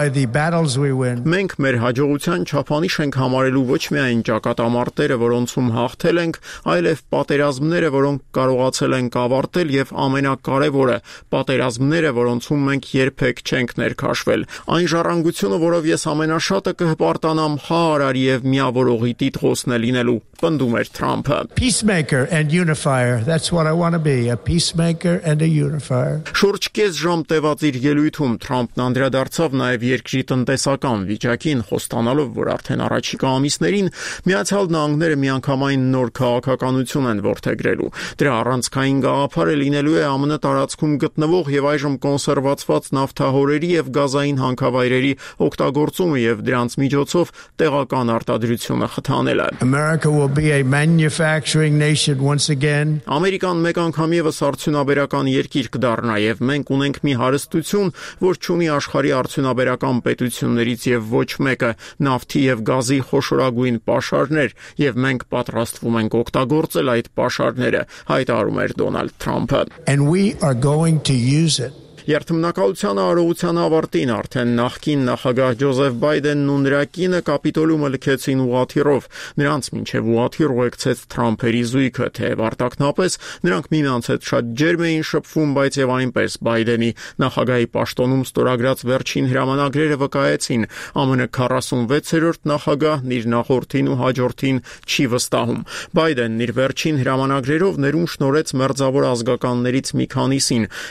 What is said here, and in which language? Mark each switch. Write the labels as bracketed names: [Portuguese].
[Armenian] չի ցանկանում։ Մենք մեր հաջողության չափանիշ ենք համարելու ոչ միայն ճակատամարտերը, որոնցում հաղթել ենք, այլև պատերազմները, որոնք կարողացել ենք ավարտել, և ամենակարևորը, պատերազմները, որոնցում մենք երբեք չենք ներքաշվել։ Այն ժառանգությունը, որով ես ամենաշատը կհպարտանամ, հա արարի և միավորողի տիտղոս լինելու, պնդում էր Թրամփը։ [English] Peacemaker and unifier, that's what I want to be, a peacemaker and a unifier. [Armenian] Շուրջ կես ժամ տևած իր ելույթում Թրամփն անդրադարձավ նաև երկրի տնտեսական վիճակին, խոստանալով, որ արդեն առաջիկա ամիսներին Միացյալ Նահանգները միանգամայն նոր քաղաքականություն են որդեգրելու։ Դրա առանցքային գաղափարը լինելու է ԱՄՆ տարածքում գտնվող և այժմ կոնսերվացված նավթահորերի և գազային հանքավայրերի օգտագործումը և դրանց միջոցով տեղական արտադրությունը խթանել։ [English] America will be a manufacturing nation once again. [Armenian] Ամերիկան մեկ անգամ եւս արդյունաբերական երկիր կդառնա, եւ մենք ունենք մի հարստություն, որ չունի աշխարհի արդյունաբերական պետություններից եւ ոչ մեկը՝ նավթի եւ գազի խոշորագույն պաշարներ, եւ մենք պատրաստվում ենք օգտագործել այդ պաշարները, հայտարարում էր Դոնալդ Թրամփը։ [English] And we are going to use it. [Armenian] Երթմնակալության արողության ավարտին արդեն նախկին նախագահ Ջոզեֆ Բայդենն ու նրա կինը կապիտոլիումը լքեցին ուղաթիռով։ Նրանց մինչև ուղաթիռ ուղեկցեց Թրամփերի զույգը, թեև արտաքնապես նրանք միմյանց հետ շատ ջերմ էին շփվում, բայց եւ այնպես Բայդենի նախագահի պաշտոնում ստորագրած վերջին հրամանագրերը վկայեցին, ԱՄՆ 46-րդ նախագահն իր նախորդին ու հաջորդին չի վստահում։ Բայդենն իր վերջին հրամանագրերով ներում շնորեց մերձավոր ազգականներից մի քանիսին,